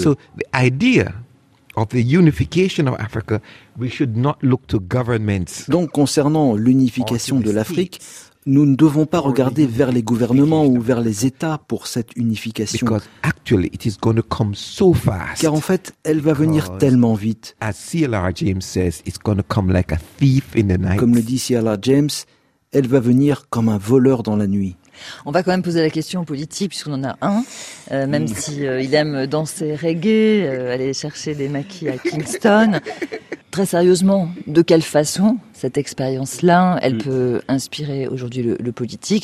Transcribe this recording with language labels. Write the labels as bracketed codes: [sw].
[en] So, the idea of the unification of Africa, we should not look to governments. [fr] Donc concernant l'unification de l'Afrique, nous ne devons pas regarder vers les gouvernements ou vers les États pour cette unification. [en] Because actually, it is going to come so fast. [fr] Car en fait, elle va venir tellement vite. [en] As C.L.R. James says, it's going to come like a thief in the night. [fr] Comme le dit C.L.R. James, elle va venir comme un voleur dans la nuit. On va quand même poser la question politique, puisqu'on en a un, même si il aime danser reggae, aller chercher des maquis à Kingston. Très sérieusement, de quelle façon cette expérience-là, elle peut inspirer aujourd'hui le politique?